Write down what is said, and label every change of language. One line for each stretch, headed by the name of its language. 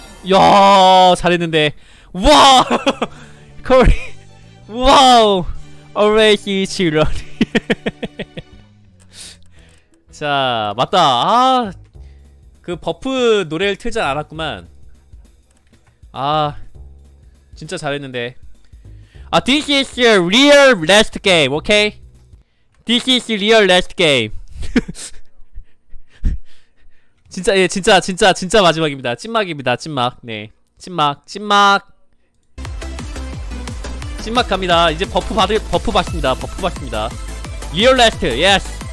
Korean: 야, 잘했는데. 와! 커리! 와우!
English: Always eat your own.
Korean: 자, 맞다. 아, 그 버프 노래를 틀지 않았구만. 아, 진짜 잘했는데. 아,
English: this is a real last game, okay? This is a real last game.
Korean: 진짜, 예, 진짜, 진짜, 진짜 마지막입니다. 찐막입니다, 찐막. 네. 찐막, 찐막. 찐막 갑니다. 이제 버프 받을, 버프 받습니다. 버프 받습니다.
English: Real last, yes!